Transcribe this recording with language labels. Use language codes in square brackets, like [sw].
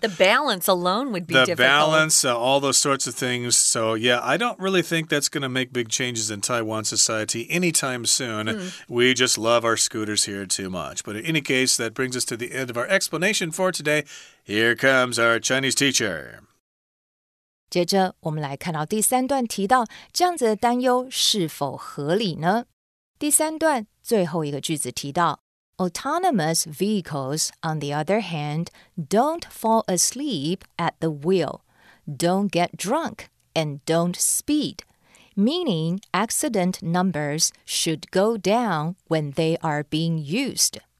[en] The balance alone would be the difficult. The balance, all those sorts of things. So, yeah, I don't really think that's going to make big changes in Taiwan society anytime soon. We just love our scooters here too much. But in any case, that brings us to the end of our explanation for today. Here comes our Chinese teacher. [zh] 接着我们来看到第三段提到这样子的担忧是否合理呢？第三段最后一个句子提到 [en] Autonomous vehicles, on the other hand, don't fall asleep at the wheel, don't get drunk, and don't speed. Meaning, accident numbers should go down when they are being used.